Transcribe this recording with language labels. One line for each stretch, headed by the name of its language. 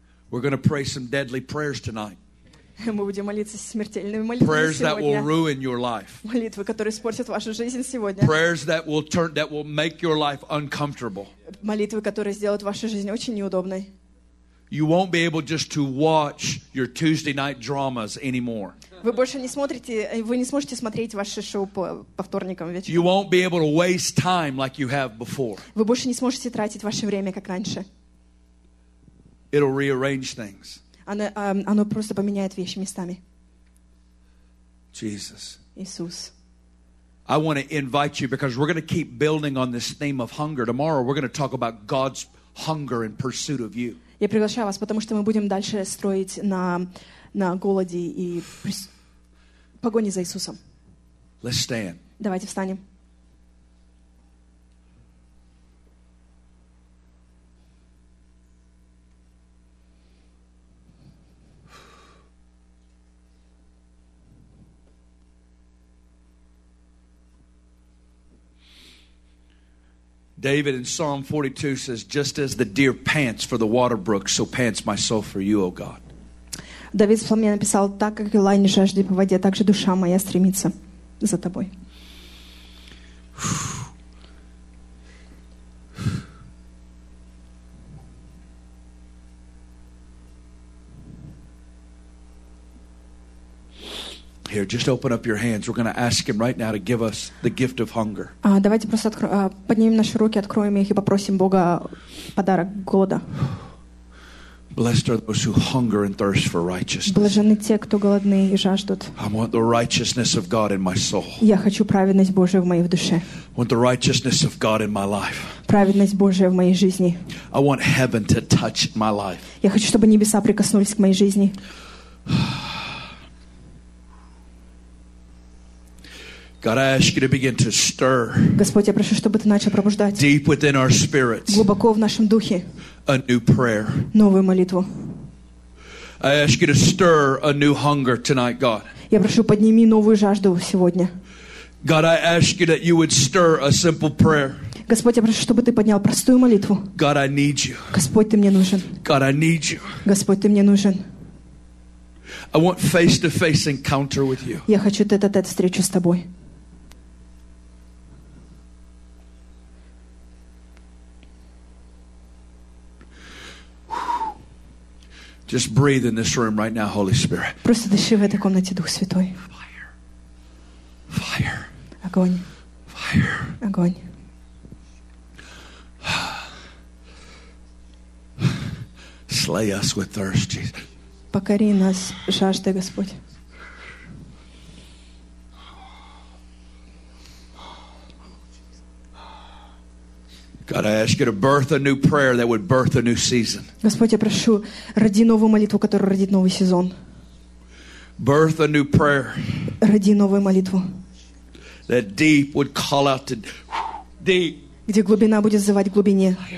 English: We're going to pray some deadly prayers tonight.
Russian: Мы будем молиться смертельными молитвами сегодня.
English: Prayers that will ruin your life.
Russian: Молитвы, которые испортят вашу жизнь сегодня.
English: Prayers that will make your life uncomfortable.
Russian: Молитвы, которые сделают вашу жизнь очень неудобной.
English: you won't be able just to watch your Tuesday night dramas anymore.
Russian: Вы больше не смотрите, вы не сможете смотреть ваше шоу по вторникам вечером.
English: You won't be able to waste time like you have before.
Russian: Вы больше не сможете тратить ваше время как раньше.
English: It'll rearrange things.
Russian: Оно просто поменяет вещи местами.
English: Jesus.
Russian: Иисус.
English: I want to invite you because we're going to keep building on this theme of hunger. Tomorrow we're going to talk about God's hunger and pursuit of you.
Russian: Я приглашаю вас, потому что мы будем дальше строить на голоде и погоне за Иисусом.
English: Let's stand.
Russian: Давайте встанем.
English: David in Psalm 42 says, "Just as the deer pants for the water brook, so pants my soul for you, O God."
Russian: David в Псалме написал: "Так как лань жаждет по воде, так же душа моя стремится за тобой."
English: Here, just open up your hands. We're going to ask Him right now to give us the gift of hunger.
Russian: Давайте просто поднимем наши руки, откроем их и попросим Бога подарок голода.
English: Blessed are those who hunger and thirst for righteousness.
Russian: Блаженны те, кто голодны и жаждут.
English: I want the righteousness of God in my soul.
Russian: Я хочу праведность Божию в моей душе.
English: I want the righteousness of God in my life.
Russian: Праведность Божия в моей жизни.
English: I want heaven to touch my life.
Russian: Я хочу, чтобы небеса прикоснулись к моей жизни.
English: God, I ask you to begin to stir.
Russian: Господь, я прошу, чтобы ты начал пробуждать.
English: Deep within our spirits.
Russian: Глубоко в нашем духе.
English: A new prayer.
Russian: Новую молитву.
English: I ask you to stir a new hunger tonight, God.
Russian: Я прошу, подними новую жажду сегодня.
English: God, I ask you that you would stir a simple prayer.
Russian: Господь, я прошу, чтобы ты поднял простую молитву.
English: God, I need you.
Russian: Господь, ты мне нужен.
English: God, I need you.
Russian: Господь, ты мне нужен.
English: I want face-to-face encounter with you.
Russian: Я хочу тет-а-тет встречу с тобой.
English: Just breathe in this room right now, Holy Spirit.
Russian: Просто дыши в этой комнате, Дух Святой.
English: Fire. Fire.
Russian: Огонь.
English: Fire.
Russian: Огонь.
English: Slay us with thirst, Jesus.
Russian: Покори нас жаждой, Господь.
English: God, I ask you to birth a new prayer that would birth a new season.
Russian: Господь, я прошу, роди новую молитву, которая родит новый сезон.
English: Birth a new prayer.
Russian: Роди новую молитву.
English: That deep would call out to deep.
Russian: Где глубина будет звать глубине.